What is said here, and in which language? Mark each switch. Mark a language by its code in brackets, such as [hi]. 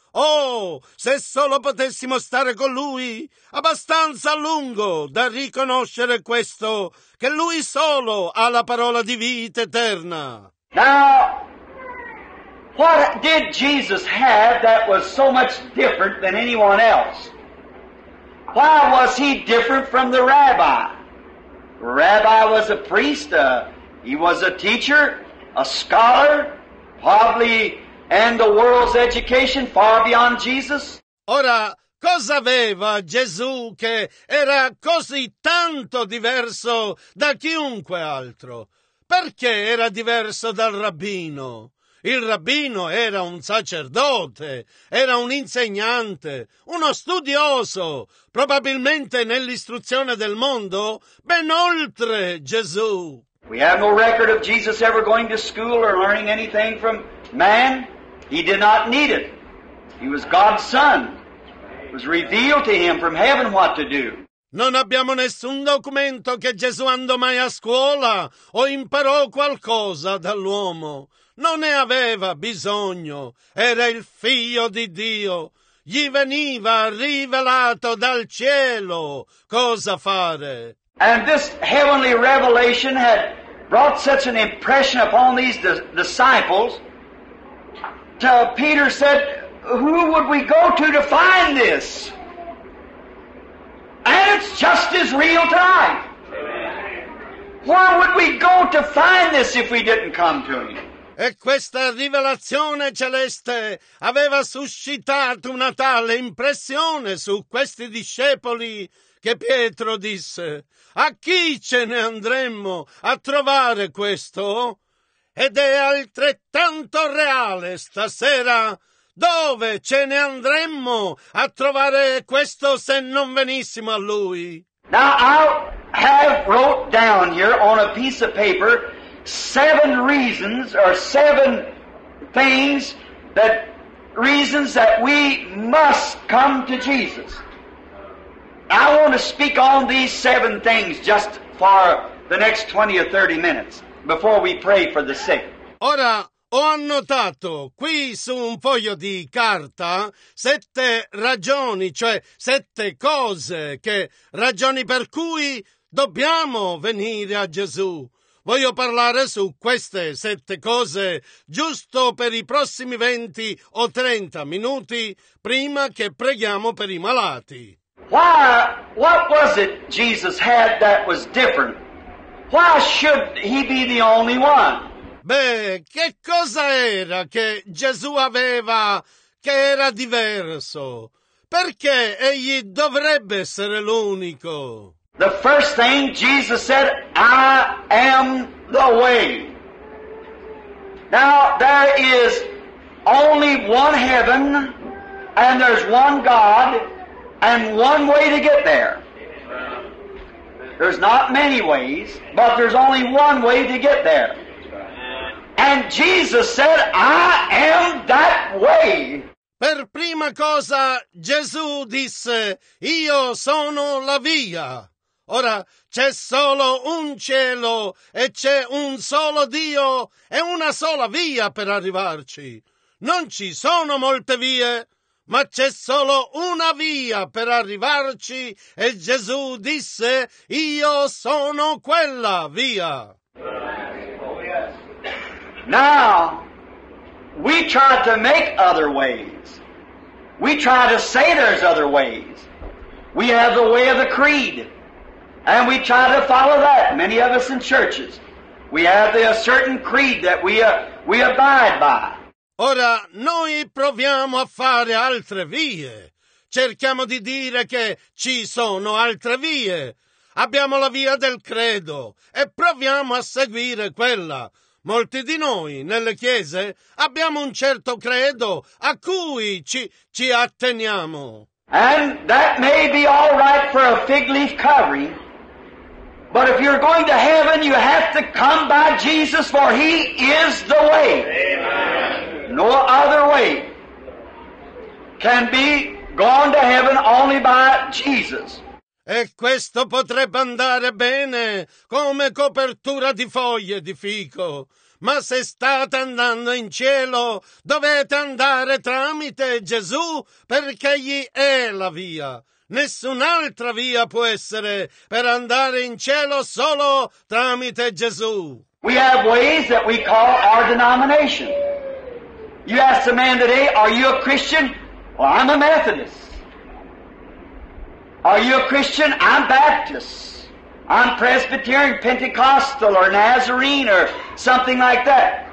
[it] Oh, se solo potessimo stare con lui abbastanza a lungo da riconoscere questo, che lui solo ha la parola di vita eterna. [en] What did Jesus have that was so much different than anyone else? Why was he different from the rabbi? The rabbi was a priest, he was a teacher, a scholar, probably and the world's education far beyond Jesus. [it] Ora, cosa aveva Gesù che era così tanto diverso da chiunque altro? Perché era diverso dal rabbino? Il rabbino era un sacerdote, era un insegnante, uno studioso, probabilmente nell'istruzione del mondo, ben oltre Gesù. [en] We have no record of Jesus ever going to school or learning anything from man. He did not need it. He was God's son. It was revealed to him from heaven what to do. [it] Non abbiamo nessun documento che Gesù andò mai a scuola o imparò qualcosa dall'uomo. Non ne aveva bisogno, era il figlio di Dio, gli veniva rivelato dal cielo cosa fare. [en] And this heavenly revelation had brought such an impression upon these disciples till Peter said, who would we go to find this? And it's just as real tonight. Where would we go to find this if we didn't come to him? [it] E questa rivelazione celeste aveva suscitato una tale impressione su questi discepoli che Pietro disse: a chi ce ne andremmo a trovare questo? Ed è altrettanto reale stasera: dove ce ne andremmo a trovare questo se non venissimo a lui? [en] Now I have wrote down here on a piece of paper seven reasons or seven things that reasons that we must come to Jesus. I want to speak on these seven things just for the next 20 or 30 minutes before we pray for the sick. [it] Ora ho annotato qui su un foglio di carta sette ragioni, cioè sette cose che ragioni per cui dobbiamo venire a Gesù. Voglio parlare su queste sette cose giusto per i prossimi 20 o 30 minuti prima che preghiamo per i malati. [en] Why, what was it Jesus had that was different? Why should he be the only one? [it] Beh, che cosa era che Gesù aveva che era diverso? Perché egli dovrebbe essere l'unico? [en] The first thing Jesus said, I am the way. Now, there is only one heaven, and there's one God, and one way to get there. There's not many ways, but there's only one way to get there. And Jesus said, I am that way. [it] Per prima cosa, Gesù disse, io sono la via. Ora, c'è solo un cielo e c'è un solo Dio e una sola via per arrivarci. Non ci sono molte vie, ma c'è solo una via per arrivarci e Gesù disse, io sono quella via. [en] Now, we try to make other ways. We try to say there's other ways. We have the way of the creed. And we try to follow that, many of us in churches. We have a certain creed that we abide by. [it] Ora, noi proviamo a fare altre vie. Cerchiamo di dire che ci sono altre vie. Abbiamo la via del credo e proviamo a seguire quella. Molti di noi, nelle chiese, abbiamo un certo credo a cui ci atteniamo. [en] And that may be all right for a fig leaf covering. But if you're going to heaven, you have to come by Jesus, for he is the way. Amen. No other way can be gone to heaven only by Jesus. [it] E questo potrebbe andare bene come copertura di foglie di fico. Ma se state andando in cielo, dovete andare tramite Gesù, perché egli è la via. Nessun'altra via può essere per andare in cielo, solo tramite Gesù. [en] We have ways that we call our denomination. You ask a man today, are you a Christian? Well, I'm a Methodist. Are you a Christian? I'm Baptist. I'm Presbyterian, Pentecostal, or Nazarene, or something like that.